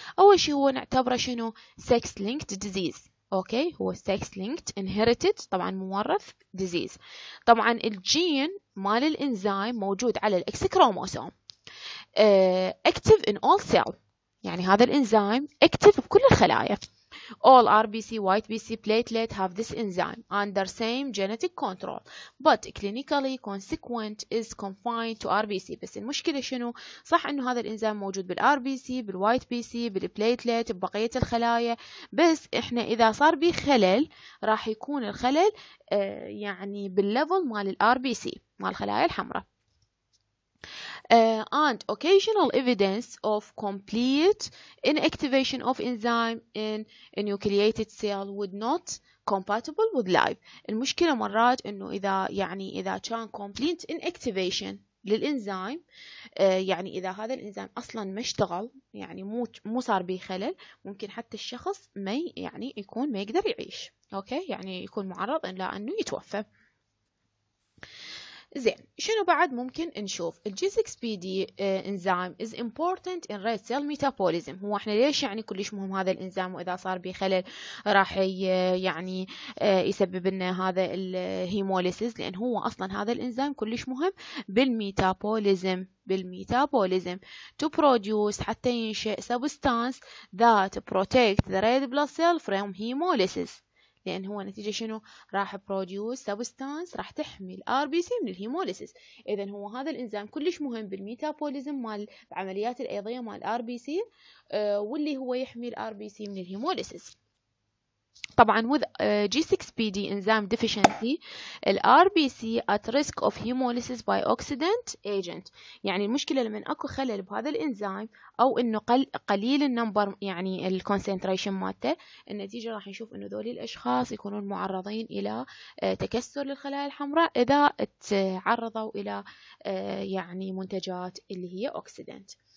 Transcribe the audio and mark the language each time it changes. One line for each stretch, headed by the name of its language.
Arabic: اول شيء هو نعتبره شنو؟
English: Sex linked disease.
Arabic: اوكي، هو
English: sex linked inherited,
Arabic: طبعا مورث ديزيز. طبعا الجين مال الانزيم موجود على الاكس كروموسوم، اكتيف ان اول سيل، يعني هذا الانزيم اكتيف بكل الخلايا.
English: All RBC, white BC, platelet have this enzyme under same genetic control, but clinically consequent is confined to RBC.
Arabic: بس المشكلة شنو؟ صح إنه هذا الإنزيم موجود بالRBC, بالwhite BC, بالplatelet، ببقية الخلايا، بس إحنا إذا صار به خلل راح يكون الخلل يعني بالليفل مال الRBC مال الخلايا الحمراء.
English: And occasional evidence of complete inactivation of enzyme in enucleated cell would not compatible with life.
Arabic: المشكلة مرات إنه إذا كان
English: complete inactivation
Arabic: للإنزيم، يعني إذا هذا الإنزيم أصلاً ما اشتغل، يعني مو صار به خلل، ممكن حتى الشخص ما يعني يكون ما يقدر يعيش. أوكي، يعني يكون معرض إلى أنه يتوفى. زين، شنو بعد ممكن نشوف؟
English: G6PD enzyme is important in red cell metabolism.
Arabic: هو احنا ليش يعني كلش مهم هذا الانزيم، واذا صار به خلل راح يعني يسبب لنا هذا الهيموليسيس، لان هو اصلا هذا الانزيم كلش مهم بالميتابوليزم، بالميتابوليزم to produce حتى ينشئ
English: substance that protect the red blood cell from hemolysis.
Arabic: لأن هو نتيجة شنو؟ راح produce substance راح تحمي RBC من الهيموليسيس. إذن هو هذا الإنزيم كلش مهم بالميتابوليزم مال عمليات الأيضية مال RBC، واللي هو يحمي RBC من الهيموليسيس.
English: طبعاً with G6PD enzyme deficiency RBC at risk of hemolysis by oxidant agent.
Arabic: يعني المشكلة لما أكو خلل بهذا الإنزيم أو إنه قليل النمبر يعني ال concentration مالته، النتيجة راح نشوف إنه ذول الأشخاص يكونون معرضين إلى تكسر للخلايا الحمراء إذا تعرضوا إلى يعني منتجات اللي هي oxidant.